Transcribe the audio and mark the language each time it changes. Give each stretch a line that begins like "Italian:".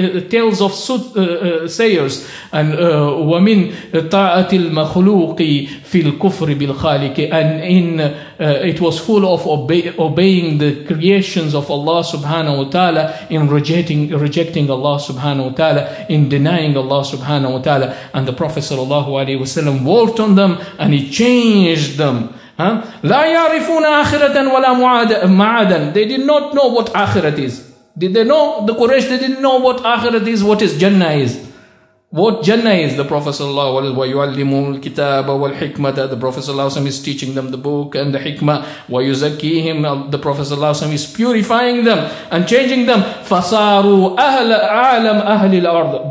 English: tales of soothsayers, and
Arabic: وَمِنْ طَاعَةِ الْمَخْلُوقِ فِي الْكُفْرِ بِالْخَالِقِ,
English: and in it was full of obeying the creations of Allah subhanahu wa ta'ala, in rejecting Allah subhanahu wa ta'ala, in denying Allah subhanahu wa ta'ala. And the Prophet sallallahu alayhi wa sallam walked on them and he changed them.
Arabic: لا يعرفون آخرتا ولا معادا.
English: They did not know what آخرت is. Did they know? The Quraysh, they didn't know what آخرت is, what is Jannah is. What Jannah is? The Prophet sallallahu alayhi wa
Arabic: yu'allimuhum al-kitaba wal-hikmata.
English: The Prophet sallallahu alayhi wa sallam is teaching them the book and the hikmah.
Arabic: Wa yuzakkihim.
English: The Prophet sallallahu alayhi wa sallam is purifying them and changing them.
Arabic: Fasaru ahla a'lam ahli al-ard.